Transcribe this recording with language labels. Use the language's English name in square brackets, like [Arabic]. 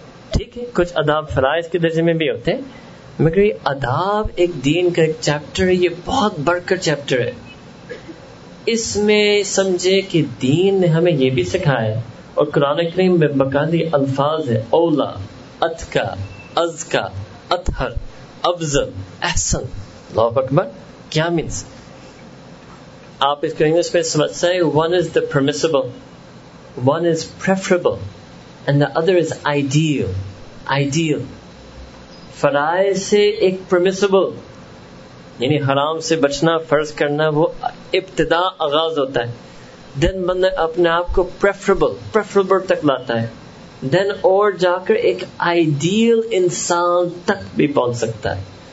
[Urdu] ٹھیک ہے, کچھ آداب فرائض کے درجے میں بھی ہوتے ہیں, مگر یہ آداب ایک دین کا ایک چیپٹر ہے, یہ بہت بڑھ کر چیپٹر ہے. اس میں سمجھے کہ دین نے ہمیں یہ بھی سکھایا, اور قرآن کریم میں بقاعدہ الفاظ ہے, اولا, اتقی, ازکا, اطہر, افضل, احسن. اللہ اکبر, کیا مینس؟ آپ اس کو انگلش میں سمجھ سکتے ہیں, [English] One is the permissible, one is preferable, and the other is ideal. [Urdu] Ideal فرائض سے ایک پرمیسیبل, یعنی حرام سے بچنا, فرض کرنا, وہ ابتدا آغاز ہوتا ہے. دین بندہ اپنے آپ کو پریفریبل تک لاتا ہے, دین اور جا کر ایک آئیڈیل انسان تک بھی پہنچ سکتا ہے.